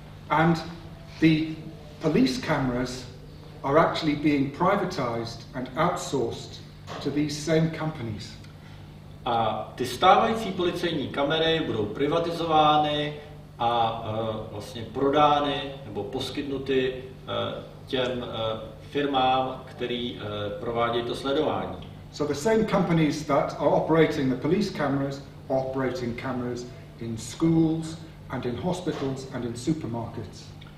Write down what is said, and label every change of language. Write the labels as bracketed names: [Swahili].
[English] And the police cameras are actually being privatized and outsourced to these same companies. [Czech] A ty stávající policejní kamery budou privatizovány a vlastně prodány nebo poskytnuty těm firmám, který provádějí to sledování. [English] So the same companies that are operating the police cameras are operating cameras in schools and in hospitals and in supermarkets.